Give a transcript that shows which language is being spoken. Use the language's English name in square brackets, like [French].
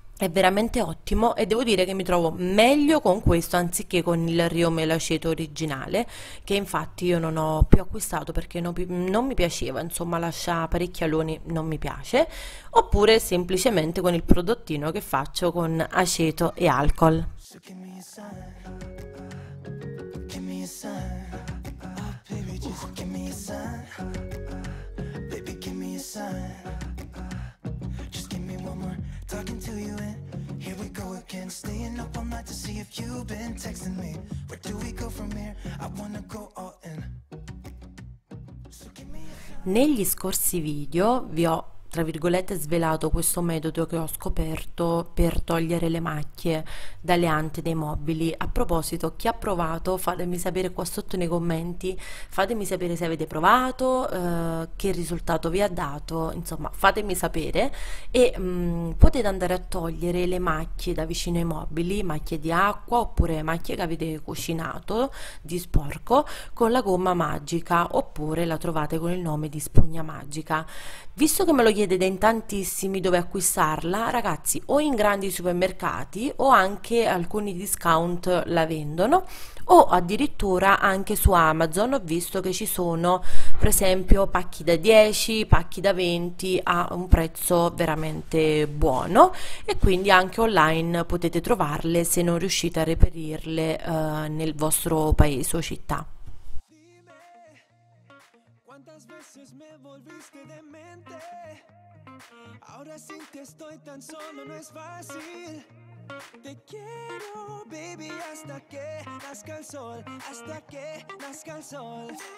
[Italian] È veramente ottimo e devo dire che mi trovo meglio con questo anziché con il Rio Melaceto originale, che infatti io non ho più acquistato perché non mi piaceva, insomma, lascia parecchi aloni, non mi piace, oppure semplicemente con il prodottino che faccio con aceto e alcol. [English] So give me a sign, give me a sign, baby, just give me a sign, baby, give me a sign, just give me one more, talking to you and here we go again, staying up all night to see if you've been texting me, where do we go from here, I wanna go all in, so give me a sign. [Italian] Negli scorsi video vi ho tra virgolette svelato questo metodo che ho scoperto per togliere le macchie dalle ante dei mobili. A proposito, chi ha provato, fatemi sapere qua sotto nei commenti, fatemi sapere se avete provato, che risultato vi ha dato, insomma, fatemi sapere. E potete andare a togliere le macchie da vicino ai mobili, macchie di acqua oppure macchie che avete cucinato di sporco con la gomma magica oppure la trovate con il nome di spugna magica. Visto che me lo chiedete chiedete in tantissimi dove acquistarla, ragazzi, o in grandi supermercati o anche alcuni discount la vendono, o addirittura anche su Amazon ho visto che ci sono, per esempio, pacchi da 10, pacchi da 20 a un prezzo veramente buono e quindi anche online potete trovarle se non riuscite a reperirle nel vostro paese o città. [Spanish] ¿Cuántas veces me volviste demente? Ahora sin ti estoy tan solo, no es fácil. Te quiero, baby, hasta que nazca el sol, hasta que nazca el sol.